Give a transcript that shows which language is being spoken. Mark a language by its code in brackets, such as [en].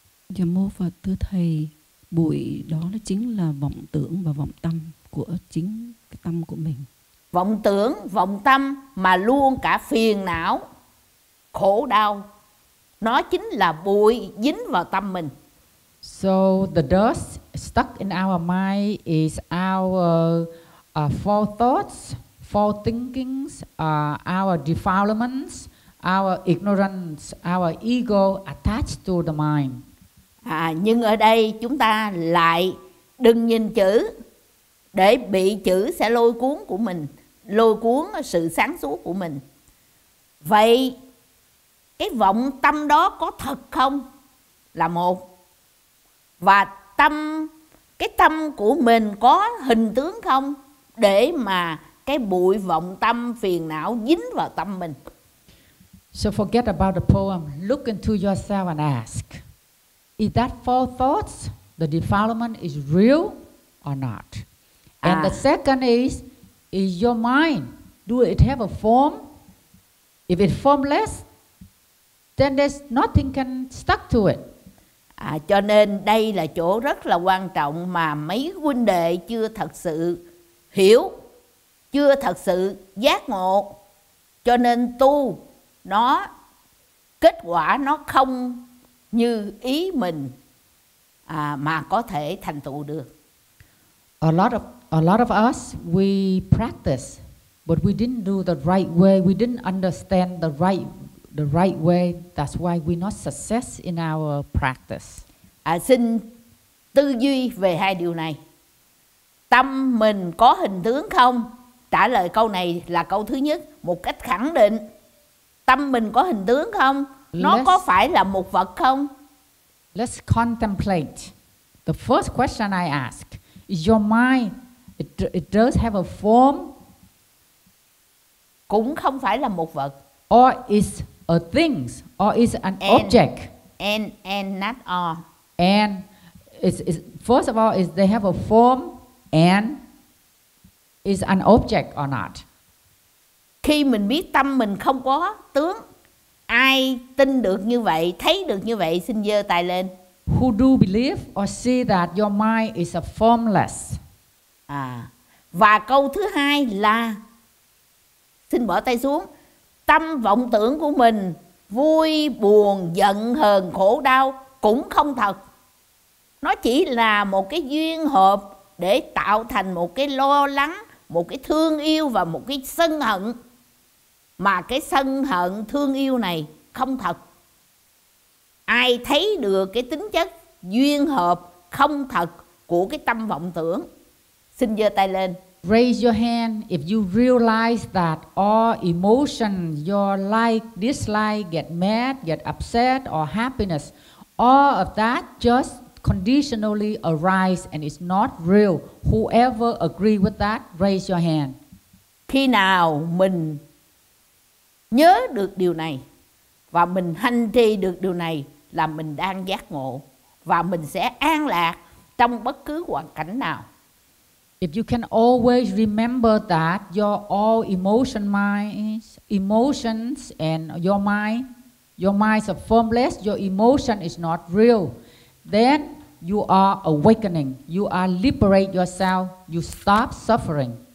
[vi] Dạ mô Phật, thưa Thầy, bụi đó nó chính là vọng tưởng và vọng tâm của chính cái tâm của mình. Vọng tưởng, vọng tâm mà luôn cả phiền não, khổ đau, nó chính là bụi dính vào tâm mình. [en] So the dust stuck in our mind is our false thoughts, false thinkings, our defilements, our ignorance, our ego attached to the mind. [vi] Nhưng ở đây chúng ta lại đừng nhìn chữ, để bị chữ sẽ lôi cuốn của mình, lôi cuốn sự sáng suốt của mình. Vậy cái vọng tâm đó có thật không? Là một. Và tâm, cái tâm của mình có hình tướng không? Để mà cái bụi vọng tâm phiền não dính vào tâm mình. [en] So forget about the poem. Look into yourself and ask. Is that false thoughts, the defilement is real or not? And the second is your mind. Do it have a form? If it's formless, then there's nothing can stuck to it. [vi] Cho nên đây là chỗ rất là quan trọng mà mấy huynh đệ chưa thật sự hiểu, chưa thật sự giác ngộ. Cho nên tu nó, kết quả nó không như ý mình mà có thể thành tựu được. [en] A lot of us, we practice, but we didn't do the right way, we didn't understand the right way, that's why we're not success in our practice. [vi] Xin tư duy về hai điều này. Tâm mình có hình tướng không? Trả lời câu này là câu thứ nhất, một cách khẳng định. Tâm mình có hình tướng không? Nó có phải là một vật không? [en] Let's contemplate. The first question I ask, is your mind, it does have a form? [vi] Cũng không phải là một vật. [en] Or is a things or is an and, object. And not all. And it's first of all is they have a form and is an object or not. [vi] Khi mình biết tâm mình không có tướng, ai tin được như vậy, thấy được như vậy xin giơ tay lên. [en] Who do believe or see that your mind is a formless? [vi] À, và câu thứ hai là xin bỏ tay xuống. Tâm vọng tưởng của mình vui buồn giận hờn khổ đau cũng không thật. Nó chỉ là một cái duyên hợp để tạo thành một cái lo lắng, một cái thương yêu và một cái sân hận. Mà cái sân hận thương yêu này không thật. Ai thấy được cái tính chất duyên hợp không thật của cái tâm vọng tưởng xin giơ tay lên. [en] Raise your hand if you realize that all emotions, your like, dislike, get mad, get upset or happiness, all of that just conditionally arise and it's not real. Whoever agree with that, raise your hand. [vi] Khi nào mình nhớ được điều này và mình hành trì được điều này là mình đang giác ngộ và mình sẽ an lạc trong bất cứ hoàn cảnh nào. [en] If you can always remember that your all emotion minds, emotions and your minds are formless, your emotion is not real, then you are awakening, you are liberate yourself, you stop suffering.